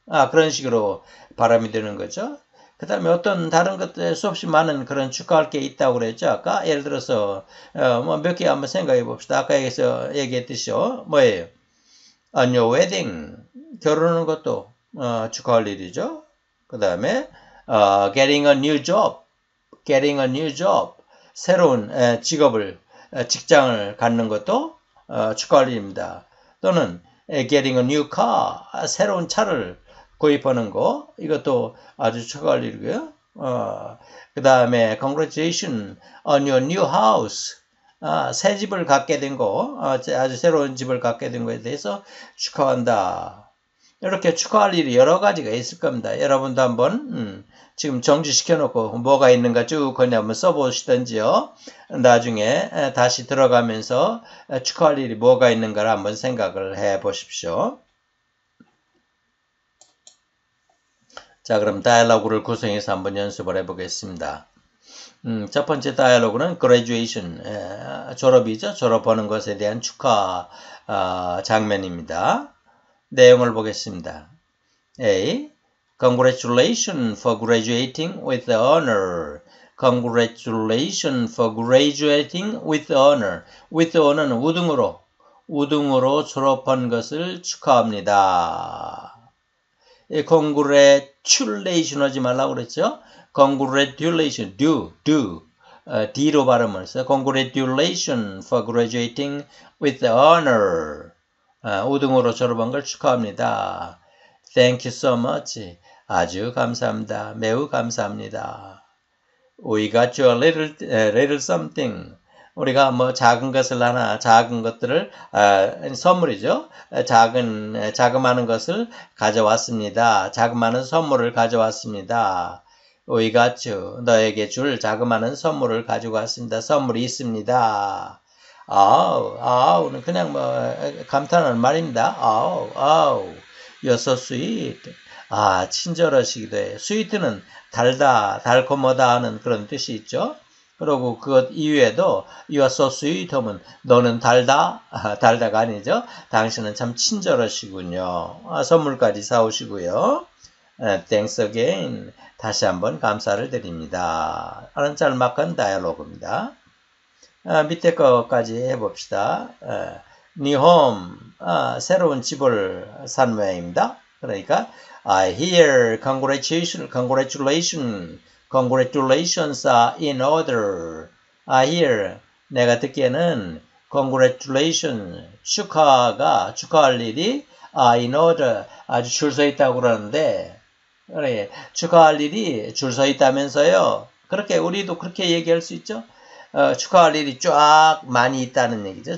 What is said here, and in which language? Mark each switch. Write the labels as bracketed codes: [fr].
[ko] 그런 식으로 발음이 되는 거죠. 그 다음에 어떤 다른 것들 수없이 많은 그런 축하할 게 있다고 그랬죠, 아까? 예를 들어서, 뭐몇개 한번 생각해 봅시다. 아까 얘기했듯이요. 뭐예요? [en] On your wedding. [ko] 결혼하는 것도 축하할 일이죠. 그 다음에, [en] getting a new job, getting a new job, [ko] 새로운 직업을 직장을 갖는 것도 축하할 일입니다. 또는 [en] getting a new car, [ko] 새로운 차를 구입하는 거, 이것도 아주 축하할 일이고요. 그 다음에 [en] congratulations on your new house, [ko] 새 집을 갖게 된 거, 아주 새로운 집을 갖게 된 거에 대해서 축하한다. 이렇게 축하할 일이 여러 가지가 있을 겁니다. 여러분도 한번 지금 정지시켜놓고 뭐가 있는가 쭉 거기 한번 써보시던지요. 나중에 다시 들어가면서 축하할 일이 뭐가 있는가를 한번 생각을 해보십시오. 자, 그럼 다이얼로그를 구성해서 한번 연습을 해보겠습니다. 첫 번째 다이얼로그는 graduation, 졸업이죠. 졸업하는 것에 대한 축하 장면입니다. 내용을 보겠습니다. A. [en] Congratulations for graduating with honor. Congratulations for graduating with honor. With honor [ko] 는 우등으로 졸업한 것을 축하합니다. Congratulation 하지 말라고 그랬죠? Congratulation, D로 발음을 써요. [en] Congratulations for graduating with honor. [ko] 5등으로 졸업한 걸 축하합니다. [en] Thank you so much. [ko] 아주 감사합니다. 매우 감사합니다. [en] We got you a little something. [ko] 우리가 뭐 작은 것을 하나, 작은 것들을, 선물이죠. 자그마한 것을 가져왔습니다. 자그마한 선물을 가져왔습니다. [en] We got you. [ko] 너에게 줄 자그마한 선물을 가지고 왔습니다. 선물이 있습니다. 아우, 그냥 뭐, 감탄하는 말입니다. [en] 아우, You're so sweet. [ko] 아, 친절하시기도 해. Sweet는 달다, 달콤하다 하는 그런 뜻이 있죠. 그리고 그것 이외에도 [en] You're so sweet [ko] 하면 너는 달다? 아, 달다가 아니죠. 당신은 참 친절하시군요. 아, 선물까지 사오시고요. [en] Thanks again. [ko] 다시 한번 감사를 드립니다. 하는 짤막한 다이아로그입니다. 밑에 것까지 해봅시다. 네 홈, 새로운 집을 산 모양입니다. [en] 그러니까 I hear congratulations are in order. I hear [ko] 내가 듣기에는 congratulations 축하할 일이 [en] in order [ko] 아주 줄서 있다고 그러는데 그래 축하할 일이 줄서 있다면서요? 그렇게 우리도 그렇게 얘기할 수 있죠? 축하할 일이 쫙 많이 있다는 얘기죠.